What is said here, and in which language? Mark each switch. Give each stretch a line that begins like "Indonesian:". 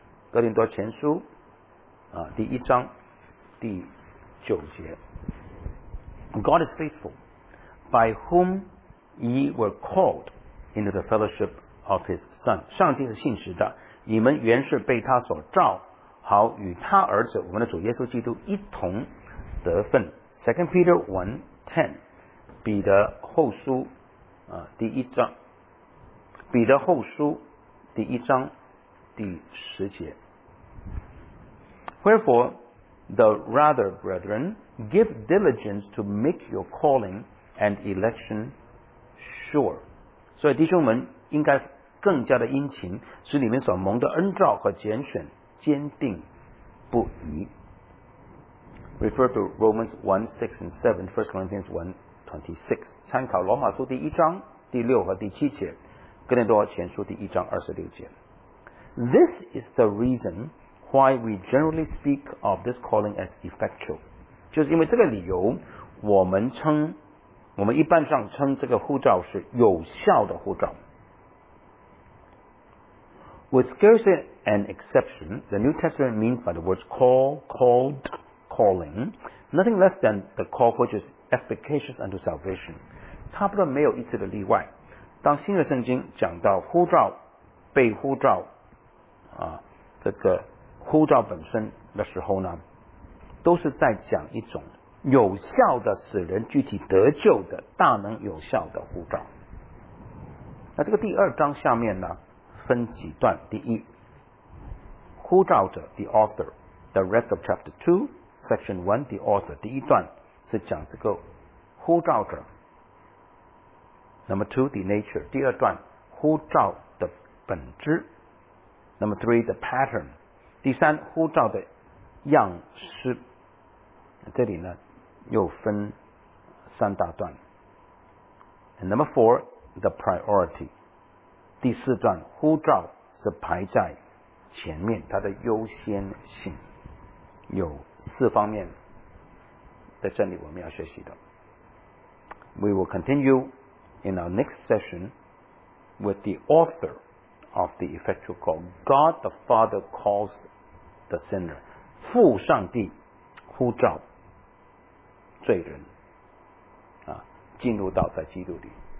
Chinese: 哥林多前书第一章第九节
English: God is faithful by whom ye were called into the fellowship of his son
Chinese: 上帝是信实的你们原是被他所召好与他儿子我们的主耶稣基督一同得分
English: 2 Peter 1:10
Chinese: 彼得后书第一章彼得后书第一章第十节
English: Wherefore the rather brethren give diligence to make your calling and election sure
Chinese: 所以弟兄们应该更加的殷勤使你们所蒙的恩召和拣选坚定不移
English: refer to Romans 1:6-7 1 Corinthians 1:26
Chinese: 参考罗马书第一章第六和第七节哥林多前书第一章二十六节
English: This is the reason why we generally speak of this calling as effectual
Chinese: 就是因为这个理由我们一般上称这个护照是有效的护照
English: With scarcely an exception, the New Testament means by the words call, called, calling, nothing less than the call which is efficacious unto salvation.
Chinese: 差不多没有一次的例外。当新约圣经讲到呼召、被呼召、这个呼召本身的时候呢，都是在讲一种有效的使人具体得救的大能有效的呼召。那这个第二章下面呢？分几段第一呼召者
English: the author the rest of chapter 2 section 1 the author
Chinese: 第一段是讲这个呼召者
English: number 2 the nature
Chinese: 第二段呼召的本质
English: number 3 the pattern
Chinese: 第三呼召的样式这里呢又分三大段
English: and number 4 the priority
Chinese: 第四段呼召是排在前面它的优先性有四方面在这里我们要学习的
English: We will continue in our next session with the author of the effectual call God the Father calls the sinner
Chinese: 父上帝呼召罪人进入到在基督里